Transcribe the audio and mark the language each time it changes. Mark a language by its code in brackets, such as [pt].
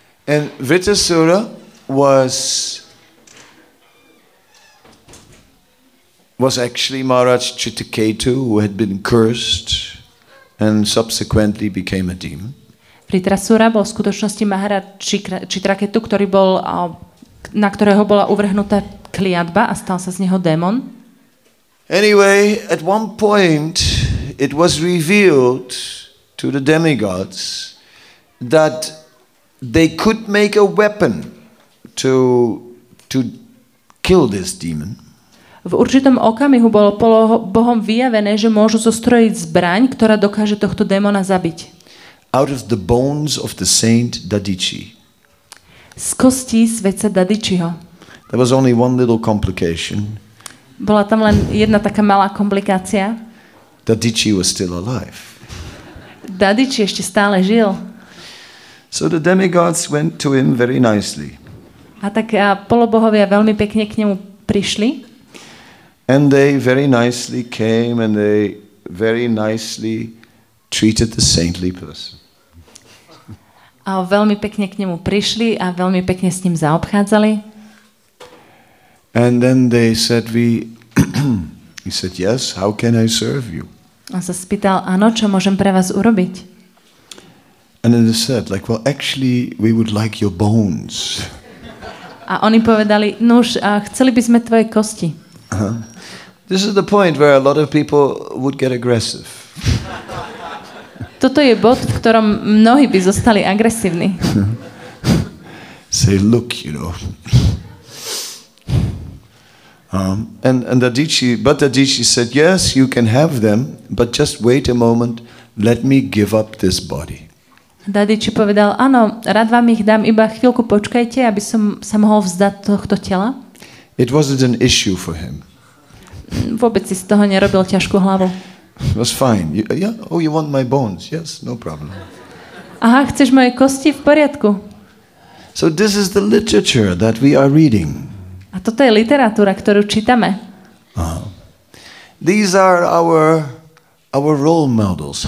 [en] And Vritasura was actually Maharaj Chittaketu, who had been cursed and subsequently became a demon. [sk] Vritasura bol v skutočnosti Maharaj Chittaketu, ktorý bol na ktorého bola uvrhnutá kliatba a stal sa z neho démon. [en] Anyway, at one point it was revealed to the demigods that they could make a weapon to kill this demon. [sk] V určitom okamihu bolo Bohom vyjavené, že môžu zostrojiť zbraň, ktorá dokáže tohto démona zabiť. [en] Out of the bones of the saint Dadichi. [sk] Z kostí svätca Dadičiho. [en] There was only one little complication. [sk] Bola tam len jedna taká malá komplikácia. [en] Dadichi was still alive. [sk] Dadichi ešte stále žil. [en] So the demigods went to him very nicely. [sk] A tak polobohovia veľmi pekne k nemu prišli. [en] And they very nicely came and they very nicely treated the saintly person. [sk] A veľmi pekne k nemu prišli a veľmi pekne s ním zaobchádzali. [en] And then they said he said yes, how can I serve you? [sk] A sa spýtal, áno, čo môžem pre vás urobiť? [en] And then they said like, well, actually we would like your bones. [sk] A oni povedali, nuž, a chceli by sme tvoje kosti. Uh-huh. [en] This is the point where a lot of people would get aggressive. [sk] Toto je bod, v ktorom mnohí by zostali agresívni. [en] Say look, you know. Dadichi said, "Yes, you can have them, but just wait a moment. Let me give up this body." [sk] Dadichi povedal: "Áno, rád vám ich dám, iba chvíľku počkajte, aby som sa mohol vzdať tohto tela." [en] It wasn't an issue for him. [sk] Vôbec si z toho nerobil ťažkú hlavu. [en] It was fine. You want my bones? Yes, no problem. [sk] Aha, chceš moje kosti? V poriadku. [en] So this is the literature that we are reading. [sk] A toto je literatúra, ktorú čítame. Aha. [en] These are our role models.